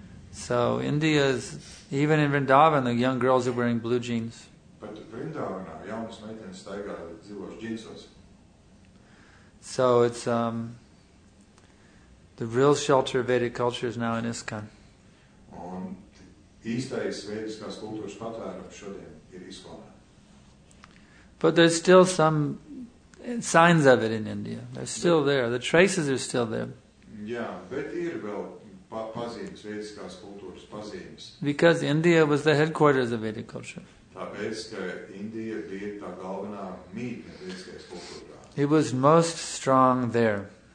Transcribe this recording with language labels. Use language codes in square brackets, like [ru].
[en] So India is, even in Vrindavan, the young girls are wearing blue jeans. [lv] But Vrindavan, jaunas meitenes staigā dzīvos džinsos. [en] So it's the real shelter of Vedic culture is now in ISKCON. [lv] Un īstais vēdiskās kultūras patvērums šodien ir ISKCON. [en] But there's still some signs of it in India. They're still there. The traces are still there. [lv] Yeah, bet ir vēl pazīmes, vēdiskās kultūras pazīmes. [en] Because India was the headquarters of Vedic culture. [lv] Tāpēc, ka Indija bija tā galvenā mītne vēdiskās kultūrā. [en] It was most strong there.